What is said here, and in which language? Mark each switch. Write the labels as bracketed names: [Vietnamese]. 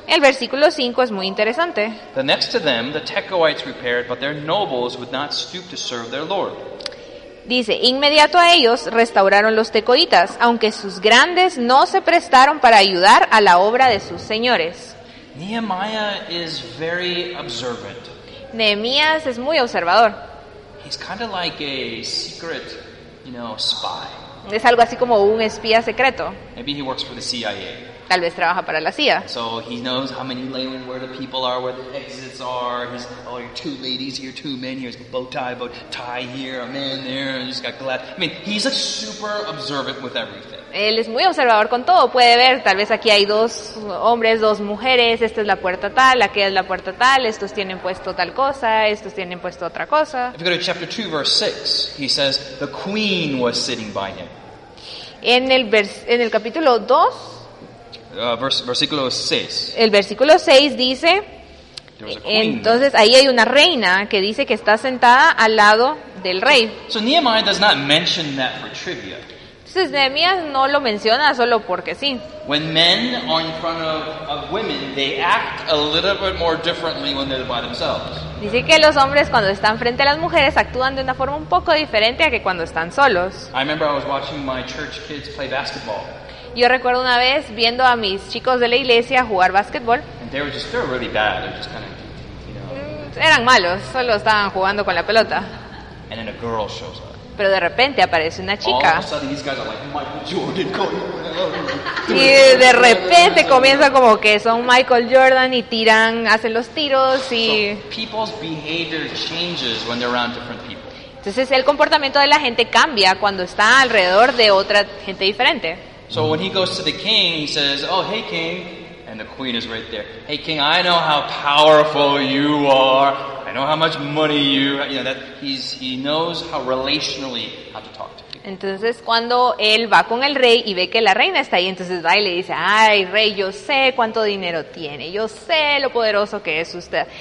[Spanish] El versículo 5 es muy interesante. [English] The next to them, the Tekoites repaired, but their nobles would not stoop to serve their lord. [Spanish] Dice, inmediato a ellos restauraron los tecoitas, aunque sus grandes no se prestaron para ayudar a la obra de sus señores. [English] Nehemiah is very observant. [Spanish] Nehemías es muy observador. [English] He's kind of like a secret, you know, spy. [Spanish] Es algo así como un espía secreto. [English] Maybe he works for the CIA. [Spanish] Tal vez trabaja para la CIA. [English] So he knows how many lanes, where the people are, where the exits are. He's, oh, you're two ladies here, two men here. He's got bow tie here, a man there. He's got glass. I mean, he's a super observant with everything. [Spanish] Él es muy observador con todo. Puede ver, tal vez aquí hay dos hombres, dos mujeres. Esta es la puerta tal, aquella es la puerta tal. Estos tienen puesto tal cosa, estos tienen puesto otra cosa. [English] If you go to chapter 2, verse 6, he says, the queen was sitting by him. [Spanish] En el capítulo 2, versículo 6. El versículo 6 dice, entonces ahí hay una reina que dice que está sentada al lado del rey. [English] So Nehemiah does not mention that for trivia. [Spanish] Entonces Nehemías no lo menciona solo porque sí. [English] When men are in front of women, they act a little bit more differently when they're by themselves. [Spanish] Dice que los hombres cuando están frente a las mujeres actúan de una forma un poco diferente a que cuando están solos. [English] I remember I was watching my church kids play basketball. [Spanish] Yo recuerdo una vez viendo a mis chicos de la iglesia jugar básquetbol. [English] They were really bad. They were just kind of, you know. [Spanish] Eran malos, solo estaban jugando con la pelota. [English] And then a girl shows up. [Spanish] Pero de repente aparece una chica. [English] All of a sudden, these guys are like Michael Jordan going. [Spanish] Y de repente comienza como que son Michael Jordan y tiran, hacen los tiros y... [English] So people's behavior changes when they're around different people. [Spanish] Entonces el comportamiento de la gente cambia cuando está alrededor de otra gente diferente. [English] So when he goes to the king, he says, oh, hey king, and the queen is right there. Hey king, I know how powerful you are. I know how much money you have. You know, that he knows how relationally how to talk to. [Spanish] Entonces cuando él va con el rey y ve que la reina está ahí, entonces va y le dice, ay rey, yo sé cuánto dinero tiene, yo sé lo poderoso que es usted.